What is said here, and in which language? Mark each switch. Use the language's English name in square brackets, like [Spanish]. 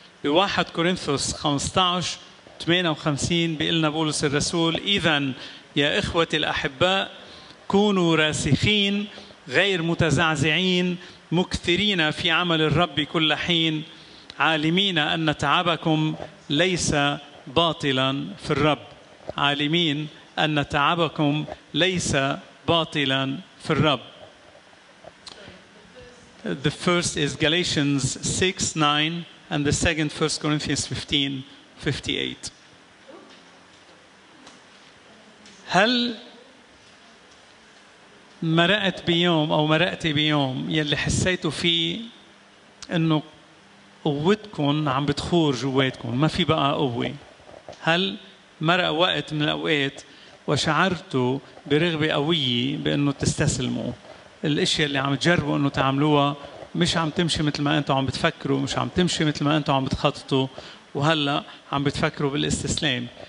[Arabic] بواحد كورنثوس 15:58 بيقلنا بولس الرسول: إذن يا إخوة الأحباء كونوا راسخين غير متزعزعين مكثرين في عمل الرب كل حين، عالمين أن تعبكم ليس باطلا في الرب. عالمين أن تعبكم ليس باطلا في الرب. [English] The first is Galatians 6:9 and the second 1 Corinthians 15:58. [Arabic] هل مرقت بيوم أو مرقت بيوم يلي حسيته فيه إنه قوتكم عم بتخور جواتكم، ما في بقى قوة؟ هل مرق وقت من الأوقات وشعرتوا برغبة قوية بأنه تستسلموا؟ الأشياء اللي عم تجربوا أنه تعملوها مش عم تمشي مثل ما أنتوا عم بتفكروا، مش عم تمشي مثل ما أنتوا عم بتخططوا، وهلأ عم بتفكروا بالاستسلام.